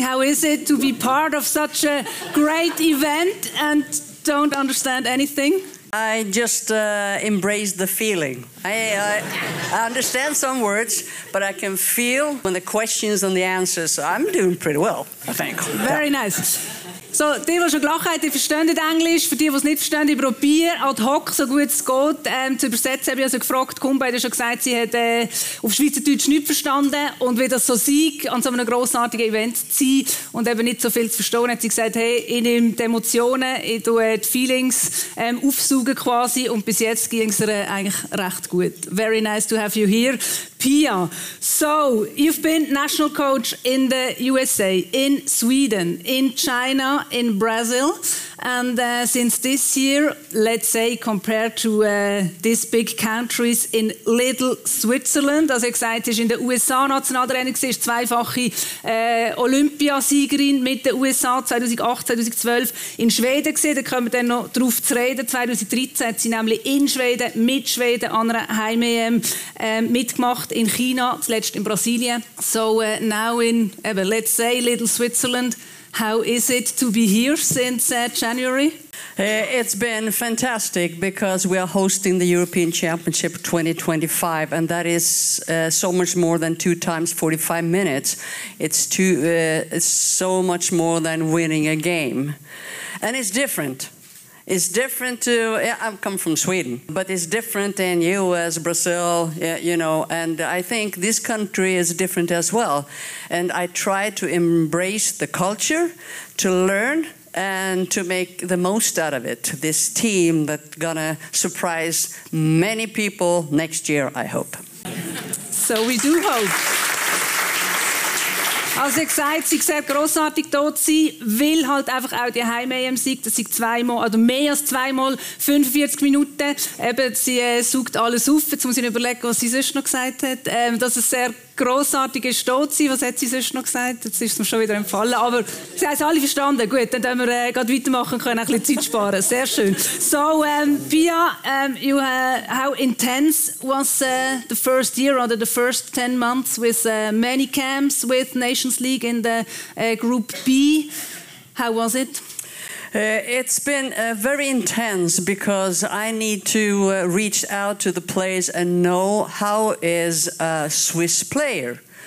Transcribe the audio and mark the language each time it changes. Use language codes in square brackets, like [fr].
[en] How is it to be part of such a great event and don't understand anything? I just embrace the feeling. I understand some words, but I can feel when the questions and the answers. So I'm doing pretty well, I think. Very nice. [de] So, die, die schon gelacht haben, die verstehen Englisch. Für die, die es nicht verstehen, ich probiere ad hoc, so gut es geht, zu übersetzen. Ich habe also gefragt, Kumba hat schon gesagt, sie hat auf Schweizerdeutsch nicht verstanden. Und wie das so sei, an so einem grossartigen Event zu sein und eben nicht so viel zu verstehen, hat sie gesagt, hey, ich nehme die Emotionen, ich tue die Feelings aufsaugen quasi. Und bis jetzt ging es ihr eigentlich recht gut. [en] Very nice to have you here, Pia. So, you've been national coach in the USA, in Sweden, in China, in Brazil, and since this year, let's say compared to these big countries in Little Switzerland, [de] also gesagt, ist in der USA Nationaltrainer gewesen, ist zweifache Olympiasiegerin mit den USA 2008, 2012 in Schweden gewesen, da kommen wir dann noch drauf zu reden. 2013 hat sie nämlich in Schweden mit Schweden an einer Heim-EM mitgemacht, in China, zuletzt in Brasilien. [en] So now in, let's say, Little Switzerland. How is it to be here since January? It's been fantastic because we are hosting the European Championship 2025, and that is so much more than 2x45 minutes. It's so much more than winning a game. And it's different. It's different to, I come from Sweden, but it's different in US, Brazil, you know, and I think this country is different as well. And I try to embrace the culture, to learn, and to make the most out of it. This team that's gonna surprise many people next year, I hope. So we do hope. [de] Also gesagt, sie sieht grossartig hier zu sein, weil halt einfach auch die Heim-EM-Sieg, dass sie zweimal, oder mehr als zweimal 45 Minuten, eben, sie saugt alles auf. Jetzt muss ich überlegen, was sie sonst noch gesagt hat. Dass es sehr grossartig ist, hier zu sein. Was hat sie sonst noch gesagt? Jetzt ist es mir schon wieder entfallen. Aber sie haben es alle verstanden. Gut, dann können wir gerade weitermachen, können ein bisschen Zeit sparen. Sehr schön. [en] So, Pia, how intense was the first year or the first 10 months with many camps with Nations League in the Group B? How was it? It's been very intense because I need to reach out to the players and know how is a Swiss player.